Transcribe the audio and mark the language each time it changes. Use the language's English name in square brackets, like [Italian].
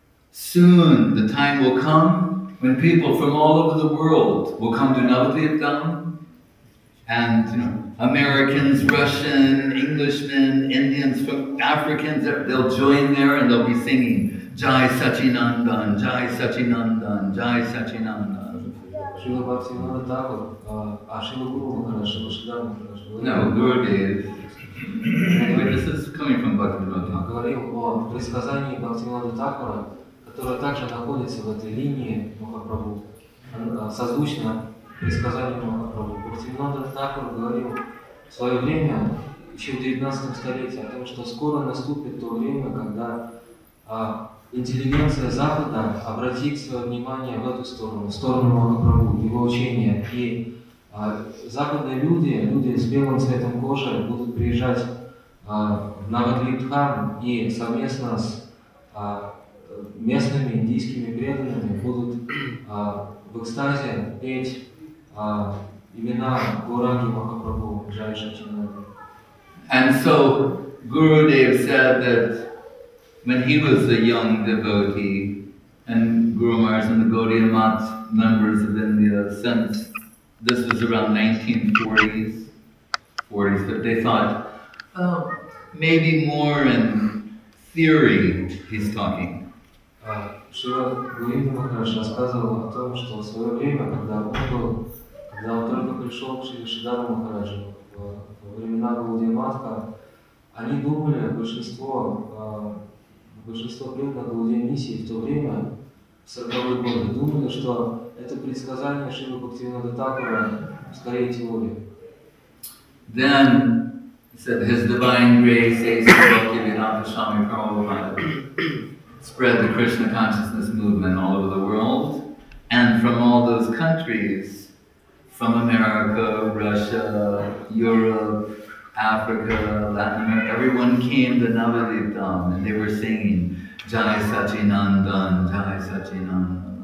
[English] soon the time will come when people from all over the world will come to Navadvipam, and you know, Americans, Russian, Englishmen, Indians, Africans, they'll join there and they'll be singing, Jai Sachinandan, Jai Sachinandan, Jai Sachinandan. [Russian] Шрила Бхактивинода Тхакур, а Шрила Гуру Махарадж, Шрила Шридхар Махарадж. [English] No, Gurudev. This is coming from Бхактивинода Тхакур. [Russian] Говорил о предсказании Бхактивинода Тхакура, которое также находится в этой линии Махапрабху, созвучно предсказанию Махапрабху. Бхактивинода Тхакур говорил в свое время, еще в 19 столетии, о том, что скоро наступит то время, когда интеллигенция Запада обратит свое внимание в эту сторону, в сторону Махапрабху, его учения. И западные люди, люди с белым цветом кожи, будут приезжать на Навадвипдхам и совместно с местными индийскими преданными будут в экстазе петь имена Гуранги Махапрабху, Джай Шачинанда. [English] And so Gurudev said that When he was a young devotee, and Guru Maharaj and the Gaudiya Math members of India sent, this was around 1940s, 40s, but they thought, oh, maybe more in theory he's talking. [Russian] Шива Гуинда Махарадж рассказывал о том, что в свое время, когда он только пришел к Шри Шидару Махараджу, во времена Гаудия Матха, они думали, большинство преданных Гаудия Миссии в то время, в 40-е годы, думали, что это предсказание Шива Бхактивинода Тхакура скорее теории. [English] Then, he said, His Divine Grace, Ace Bhaktivinoda Swami Prabhupada. Spread the Krishna consciousness movement all over the world, and from all those countries, from America, Russia, Europe, Africa, Latin America, everyone came to Navadvip Dham, and they were singing Jai Sachinandan, Jai Sachinandan.